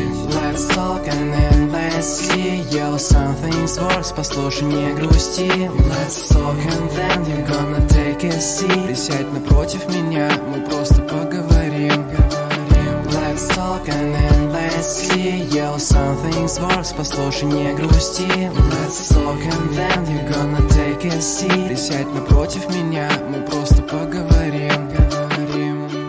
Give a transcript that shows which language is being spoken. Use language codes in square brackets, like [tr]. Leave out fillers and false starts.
[en] Let's talk and then let's see. Yo, something's worse, [ru] послушай, не грусти. [en] Let's talk and then you're gonna take a seat. [ru] Присядь напротив меня, мы просто поговорим. [en] Let's talk and then let's see. Yo, something's worse, [ru] послушай, не грусти. [en] Let's talk and then you're gonna take a seat. [ru] Присядь напротив меня, мы просто поговорим.